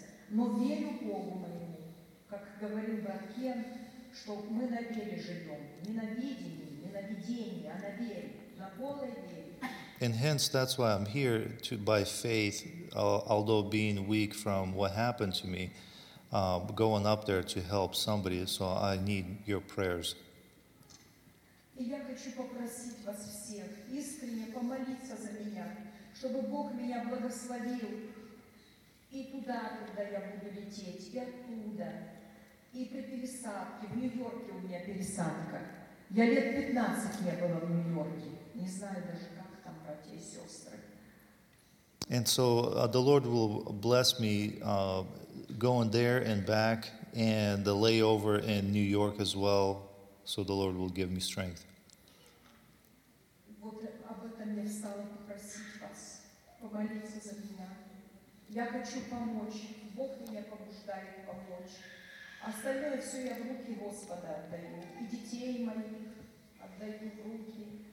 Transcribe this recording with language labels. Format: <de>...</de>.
<ru>Но верю Богу моему, как говорил брат Кен, что мы на вере живем. Не на видении, не на видении, а на вере, на полной вере.</ru> <en>And hence, that's why I'm here, to by faith, although being weak from what happened to me, going up there to help somebody, so I need your prayers.</en> <ru>И я хочу попросить вас всех искренне помолиться за меня, чтобы Бог меня благословил. И туда, куда я буду лететь, и оттуда, и при пересадке, в Нью-Йорке у меня пересадка. Я лет 15 не была в Нью-Йорке, не знаю даже, как там, братья и сестры.</ru> <en>And so the Lord will bless me going there and back, and the layover in New York as well, so the Lord will give me strength.</en> <ru>Вот об этом я стала попросить вас помолиться за меня. Я хочу помочь. Бог меня побуждает помочь. Остальное все я в руки Господа отдаю. И детей моих отдаю в руки.</ru>